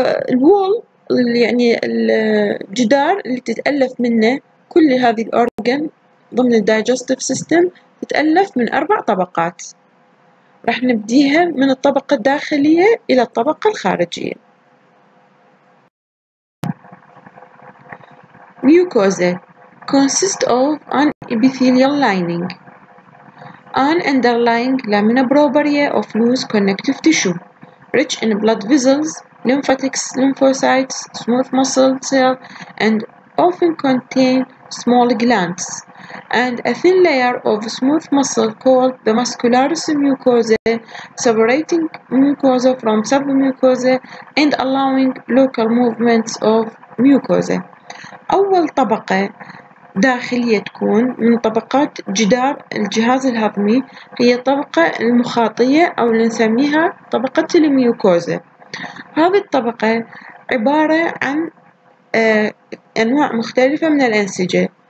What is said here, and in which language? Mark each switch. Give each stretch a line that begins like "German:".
Arabic: الوول يعني الجدار اللي تتألف منه كل هذه الأورغان ضمن الدايجستيف سيستم تتألف من 4 طبقات، راح نبديها من الطبقة الداخلية إلى الطبقة الخارجية.
English: Mucosa consists of an epithelial lining, an underlying lamina propria of loose connective tissue, rich in blood vessels, lymphatic lymphocytes, smooth muscle cells, and often contain small glands, and a thin layer of smooth muscle called the muscularis mucosa, separating mucosa from submucosa and allowing local movements of mucosa.
Arabic: أول طبقة داخلية تكون من طبقات جدار الجهاز الهضمي هي طبقة المخاطية أو اللي نسميها طبقة الميوكوزا. هذه الطبقة عبارة عن أنواع مختلفة من الأنسجة.